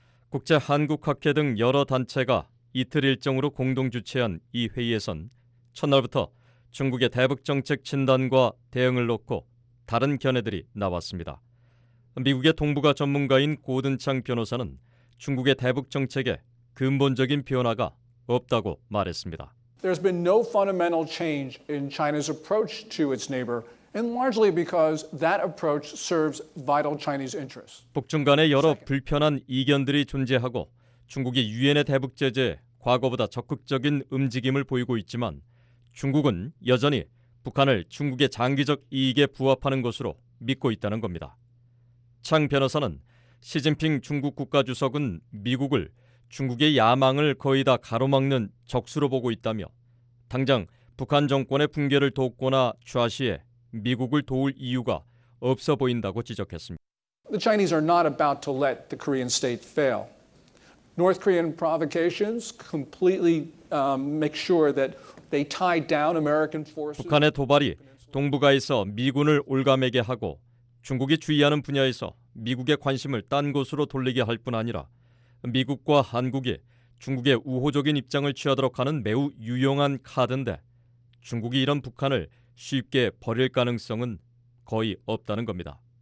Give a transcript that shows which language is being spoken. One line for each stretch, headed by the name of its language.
Korean: 국제한국학회 등 여러 단체가 이틀 일정으로 공동 주최한 이 회의에선 첫날부터 중국의 대북정책 진단과 대응을 놓고 다른 견해들이 나왔습니다. 미국의 동북아 전문가인 고든 창 변호사는 중국의 대북정책에 근본적인 변화가 없다고 말했습니다.
English: There's been no fundamental change in China's approach to its neighbor, and largely because that approach serves vital Chinese interests.
Korean: 북중 간의 여러 불편한 이견들이 존재하고 중국이 유엔의 대북 제재에 과거보다 적극적인 움직임을 보이고 있지만 중국은 여전히 북한을 중국의 장기적 이익에 부합하는 것으로 믿고 있다는 겁니다. 창 변호사는 시진핑 중국 국가주석은 미국을 중국의 야망을 거의 다 가로막는 적수로 보고 있다며 당장 북한 정권의 붕괴를 돕거나 좌시해 미국을 도울 이유가 없어 보인다고 지적했습니다.
English: The Chinese are not about to let the Korean state fail. North Korean provocations completely make sure that they tie down American forces.
Korean: 북한의 도발이 동북아에서 미군을 올가매게 하고 중국이 주의하는 분야에서 미국의 관심을 딴 곳으로 돌리게 할 뿐 아니라 미국과 한국이 중국의 우호적인 입장을 취하도록 하는 매우 유용한 카드인데 중국이 이런 북한을 쉽게 버릴 가능성은 거의 없다는 겁니다.